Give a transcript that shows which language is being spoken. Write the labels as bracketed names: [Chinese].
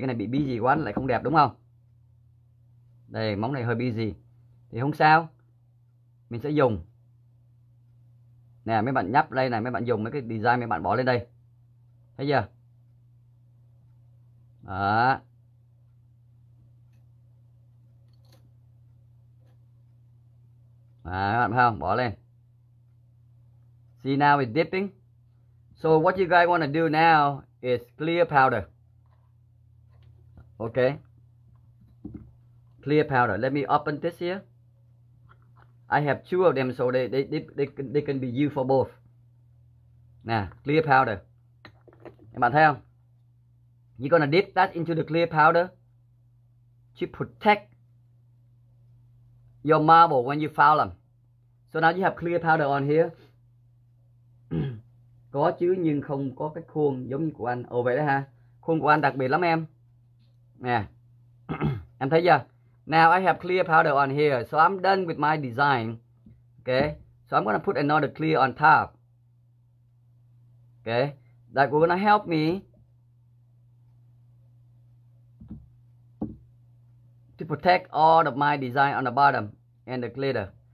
[Vietnamese] Cái này bị busy quá nó lại không đẹp, đúng không? Đây, móng này hơi busy thì không sao, mình sẽ dùng nè, mấy bạn nhấp đây này, mấy bạn dùng mấy cái design mấy bạn bỏ lên đây, thấy chưa? Đó, à, mấy bạn thấy không, bỏ lên. [English] See, now it's dipping. So what you guys want to do now is clear powder. Ok, clear powder. Let me open this here. I have two of them, so they can be used for both. Nè, clear powder. [Vietnamese] Các bạn thấy không? [English] You're gonna dip that into the clear powder to protect your marble when you foul them. So now you have clear powder on here. [Vietnamese] Có chứ, nhưng không có cái khuôn giống như của anh. Ồ vậy đó ha. Khuôn của anh đặc biệt lắm em. Nè. Em thấy chưa? [English] Now I have clear powder on here, so I'm done with my design. Okay, so I'm gonna put another clear on top. Okay, that will gonna help me to protect all of my design on the bottom and the glitter.